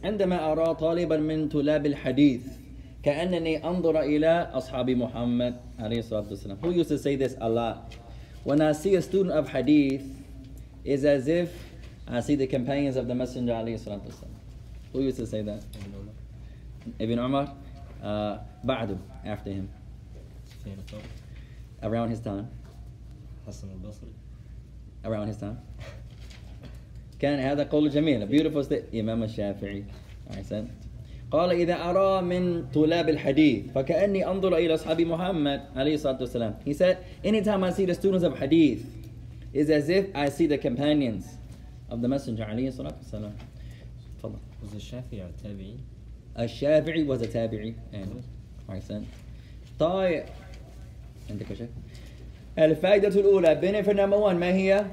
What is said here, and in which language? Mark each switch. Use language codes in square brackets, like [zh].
[ar] عندما أرى طالبا من طلاب الحديث كأنني أنظر إلى أصحاب محمد عليه الصلاة والسلام. [en] Who used to say this a lot? When I see a student of hadith, it's as if I see the companions of the Messenger [ar] عليه الصلاة والسلام. [en] Who used to say that? Ibn Umar. [ar] بعده, [en] after him. Around his time. [ar] حسن البصري. [en] Around his time. [ar] كان هذا قول جميل. [en] A beautiful state. إمام الشافعي. I said. [ar] قال إذا أرى من طلاب الحديث فكأني أنظر إلى أصحاب محمد عليه الصلاة والسلام. [en] He said, anytime I see the students of hadith, it's as if I see the companions of the Messenger [ar] عليه الصلاة والسلام. تفضل. [en] Was الشافعي a tabi? الشافعي was a tabi. Yeah. I said. [ar] طيب. عندك شيء؟ الفائدة الأولى, [en] benefit number one, [ar] ما هي?